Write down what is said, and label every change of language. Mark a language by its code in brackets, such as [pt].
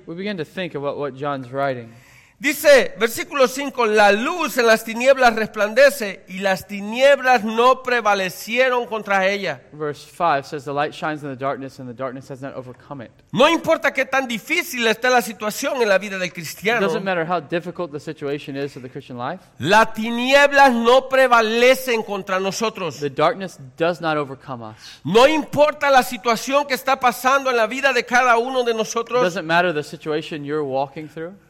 [en] We begin to think about what John's writing. [es] Dice, versículo 5, la luz en las tinieblas resplandece y las tinieblas no prevalecieron contra ella. [en] Verse 5 says, the light shines in the darkness and the darkness has not overcome it. [es] No importa qué tan difícil esté la situación en la vida del cristiano. [en] It doesn't matter how difficult the situation is of the Christian life. [es] Las tinieblas no prevalecen contra nosotros. [en] The darkness does not overcome us. [es] No importa la situación que está pasando en la vida de cada uno de nosotros. [en] It doesn't matter the situation you're walking through.